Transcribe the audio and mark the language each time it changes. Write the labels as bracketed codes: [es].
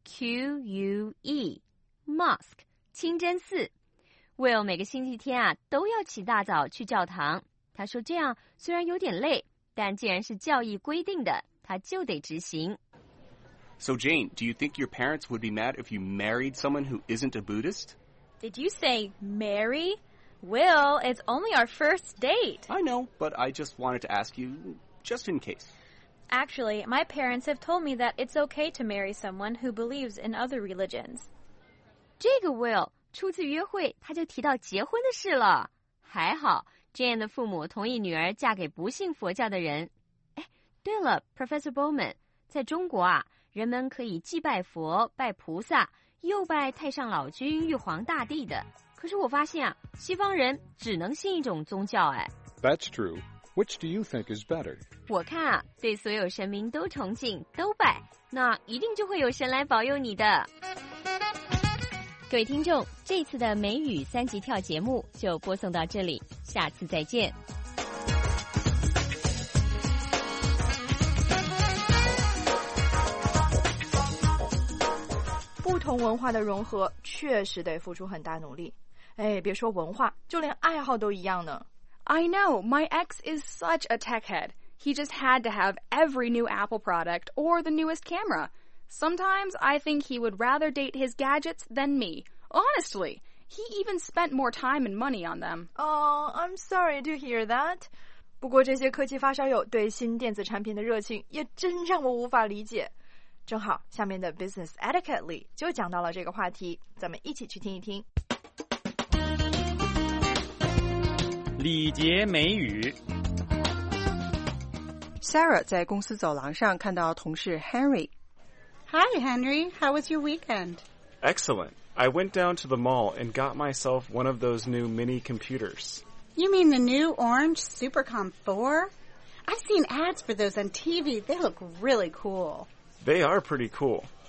[en] M-O-S-Q-U-E, Mosque, 清真寺。 [zh] Will 每个星期天啊都要起大早去教堂。他说这样虽然有点累，但既然是教义规定的，他就得执行。 [en] So Jane, do you think your parents would be mad if you married someone who isn't a Buddhist? Did you say marry? Will, it's only our first date. I know, but I just wanted to ask you, just in case. Actually, my parents have told me that it's okay to marry someone who believes in other religions. [zh] 这个 Will, 初次约会他就提到结婚的事了。还好 ,Jane 的父母同意女儿嫁给不信佛教的人。哎，对了 ,Professor Bowman, 在中国啊，人们可以既拜佛、拜菩萨，又拜太上老君、玉皇大帝的。可是我发现啊，西方人只能信一种宗教哎。 [en] That's true. Which do you think is better? [zh] 我看啊，对所有神明都崇敬、都拜，那一定就会有神来保佑你的。各位听众，这次的美语三级跳节目就播送到这里，下次再见。不同文化的融合确实得付出很大努力，哎，别说文化，就连爱好都一样呢。 [en] I know, my ex is such a tech head. He just had to have every new Apple product or the newest camera. Sometimes I think he would rather date his gadgets than me. Honestly, he even spent more time and money on them. Oh, I'm sorry to hear that. [zh] 不过这些科技发烧友对新电子产品的热情也真让我无法理解。正好下面的 Business Etiquette 里就讲到了这个话题，咱们一起去听一听。礼节美语。 Sarah 在公司走廊上看到同事 Henry。 [en] Hi Henry, how was your weekend? Excellent, I went down to the mall and got myself one of those new mini computers. You mean the new orange Supercom 4? I've seen ads for those on TV, they look really cool They are pretty cool.